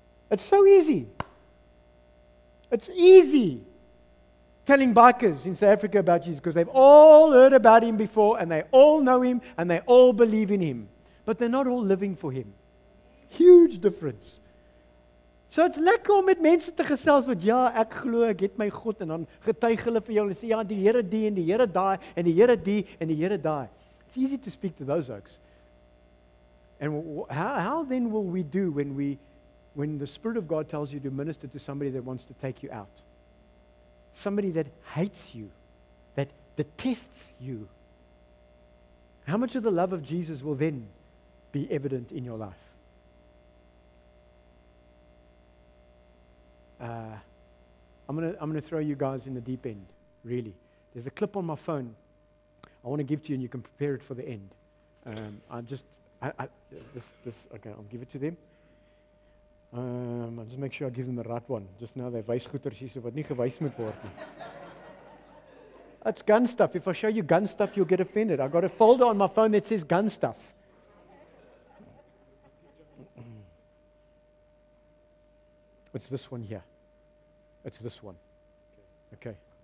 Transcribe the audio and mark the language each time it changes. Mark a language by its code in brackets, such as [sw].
[en] It's so easy. It's easy telling bikers in South Africa about Jesus, because they've all heard about him before, and they all know him, and they all believe in him. But they're not all living for him. Huge difference. [af] So dit's lekker om met mense te gesels wat ja, ek glo, ek het my God en dan getuig hulle vir jou en sê ja, die Here die en die Here daai en die Here die en die Here daai. [en] It's easy to speak to those folks. And how then will we do when the Spirit of God tells you to minister to somebody that wants to take you out? Somebody that hates you, that detests you. How much of the love of Jesus will then be evident in your life? I'm gonna throw you guys in the deep end, really. There's a clip on my phone I want to give to you, and you can prepare it for the end. Okay, I'll give it to them. I'll just make sure I give them the right one. Just now they [af] wys goeters hierso wat nie gewys moet word nie. [en] It's gun stuff. If I show you gun stuff, you'll get offended. I got a folder on my phone that says gun stuff. It's this one here. It's this one. Okay.